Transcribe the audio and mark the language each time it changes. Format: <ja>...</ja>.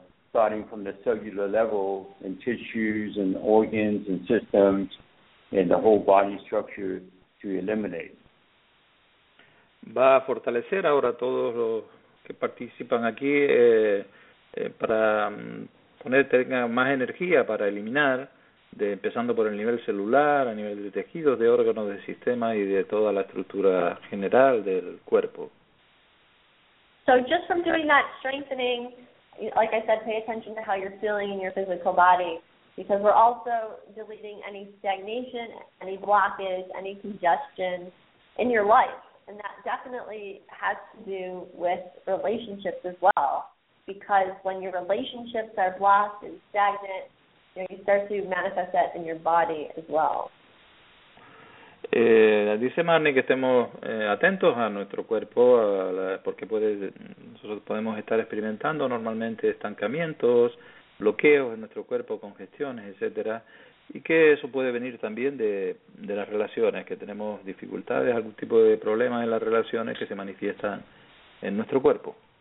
<en>Starting from the cellular level and tissues and organs and systems and the whole body structure to eliminate.</en> <es>va a fortalecer ahora a todos los que participan aquí para poner tenga más energía para eliminar, de empezando por el nivel celular, a nivel de tejidos, de órganos, de sistema y de toda la estructura general del cuerpo.</es> <en>So just from doing that strengthening, like I said, pay attention to how you're feeling in your physical body, because we're also deleting any stagnation, any blockage, any congestion in your life. And that definitely has to do with relationships as well, because when your relationships are blocked and stagnant, you know, you start to manifest that in your body as well.</en> <es>Dice Marnie que estemos atentos a nuestro cuerpo, porque nosotros podemos estar experimentando normalmente estancamientos, bloqueos en nuestro cuerpo, congestiones, etcétera, y que eso puede venir también de las relaciones, que tenemos dificultades, algún tipo de problemas en las relaciones que se manifiestan en nuestro cuerpo.</es>